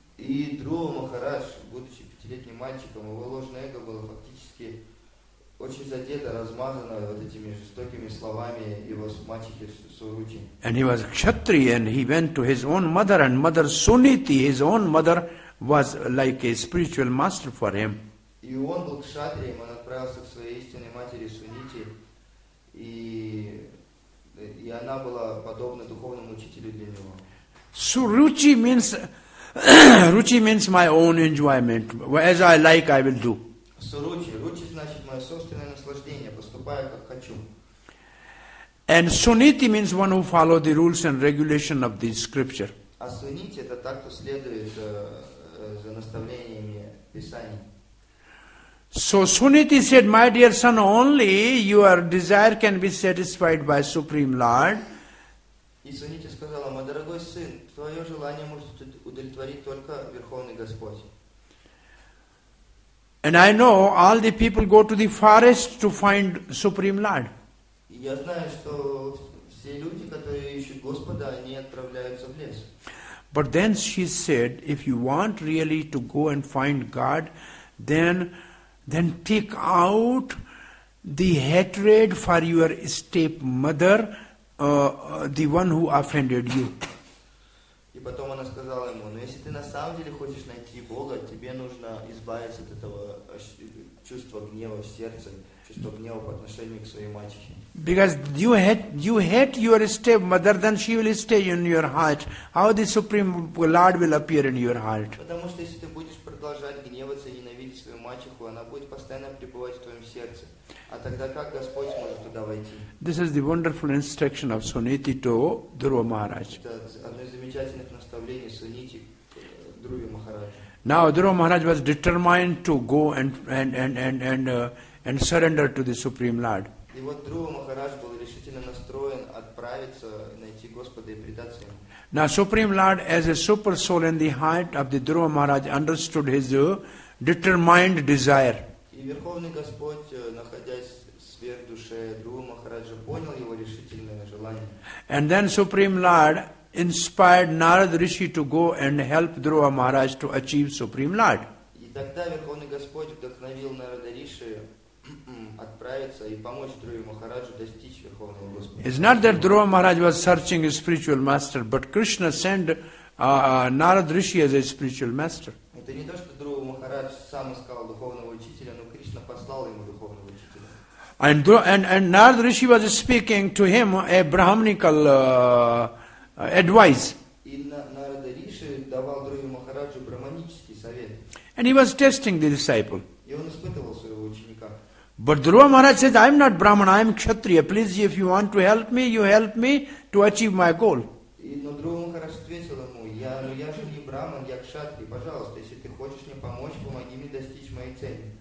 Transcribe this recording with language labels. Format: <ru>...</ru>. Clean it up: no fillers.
<ru>И Dhruva Maharaj, будучи 5-летним мальчиком, его ложное эго было фактически очень задето, размазано вот этими жестокими словами его мачехи Суручи.</ru> <en>And he was kshatriya, and he went to his own mother, and mother Suniti, his own mother, was like a spiritual master for him.</en> <ru>И он был кшатрием, он отправился к своей истинной матери Сунити, и она была подобна духовному учителю для него.</ru> <en>Suruchi means Ruchi means my own enjoyment. As I like, I will do.</en> <ru>Suruchi, Ruchi значит мое собственное наслаждение, поступаю как хочу.</ru> <en>And Suniti means one who follow the rules and regulation of the scripture.</en> <ru>А Suniti это так, кто следует за наставлениями Писаний.</ru> <en>So Suniti said, my dear son, only your desire can be satisfied by Supreme Lord.</en> <ru>И Suniti сказала, мой дорогой сын, твое желание может удовлетворить только Верховный Господь.</ru> <en>And I know all the people go to the forest to find Supreme Lord.</en> <ru>Я знаю, что все люди, которые ищут Господа, они отправляются в лес.</ru> <en>But then she said, if you want really to go and find God, then take out the hatred for your stepmother, the one who offended you.</en> <ru>И потом она сказала ему, но если ты на самом деле хочешь найти Бога, тебе нужно избавиться от этого чувства гнева в сердце, чувства гнева по отношению к своей матери.</ru> <en>Because you hate your stepmother, then she will stay in your heart. How the Supreme Lord will appear in your heart?</en> <ru>Потому что если ты будешь продолжать гневаться и ненавидеть свою мачеху, она будет постоянно пребывать в твоем сердце. А тогда как Господь может туда войти?</ru> <en>This is the wonderful instruction of Suniti to Dhruva Maharaj.</en> <ru>Это одно из замечательных наставлений Сунити Друве Махарадж.</ru> <en>Now Dhruva Maharaj was determined to go and surrender to the Supreme Lord.</en> <ru>И вот Dhruva Maharaj был решительно настроен отправиться, найти Господа и предаться ему.</ru> <en>Now Supreme Lord, as a super soul in the heart of the Dhruva Maharaj, understood his determined desire.</en> <ru>И Верховный Господь, находясь сверх душе Dhruva Maharaja, понял его решительное желание.</ru> <en>And then Supreme Lord inspired Narada Rishi to go and help Dhruva Maharaj to achieve Supreme Lord.</en> <ru>И тогда Верховный Господь вдохновил Нарада Риши отправиться и помочь Dhruva Maharaja достичь Верховного Господа.</ru> <en>It's not that Dhruva Maharaj was searching a spiritual master, but Krishna sent Narada Rishi as a spiritual master.</en> <ru>Это не то, что Dhruva Maharaj сам искал духовного учителя, но Кришна послал ему духовного учителя.</ru> <en>And Narada Rishi was speaking to him a brahmanical advice.</en> <ru>И Нарада Риши давал Dhruva Maharaju брахманический совет.</ru> <en>And he was testing the disciple.</en> <ru>И он испытывал своего ученика.</ru> <en>But Dhruva Maharaj says, I am not Brahman, I am Kshatriya. Please, if you want to help me, you help me to achieve my goal.</en> <ru>Но Dhruva Maharaj ответил ему, я же не Брахман, я Кшатри. Пожалуйста, если ты хочешь мне помочь, помоги мне достичь моей цели.</ru>